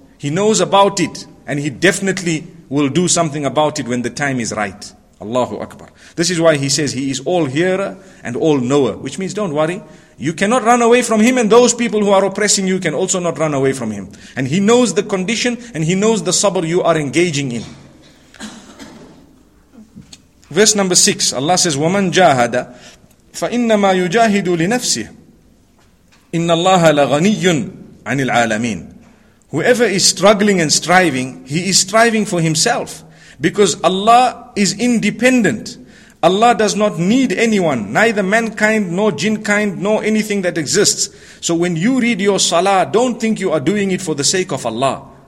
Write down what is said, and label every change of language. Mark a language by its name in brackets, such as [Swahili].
[English] He knows about it, and He definitely will do something about it when the time is right. Allahu Akbar. This is why He says He is all hearer and all knower, which means don't worry. You cannot run away from Him, and those people who are oppressing you can also not run away from Him. And He knows the condition, and He knows the sabr you are engaging in. Verse number 6, Allah says, [Arabic] وَمَنْ جَاهَدَ فَإِنَّمَا يُجَاهِدُ لِنَفْسِهِ إِنَّ اللَّهَ لَغَنِيٌّ عَنِ الْعَالَمِينَ. [English] Whoever is struggling and striving, he is striving for himself. Because Allah is independent. Allah does not need anyone, neither mankind, nor jinnkind, nor anything that exists. So when you read your salah, don't think you are doing it for the sake of Allah.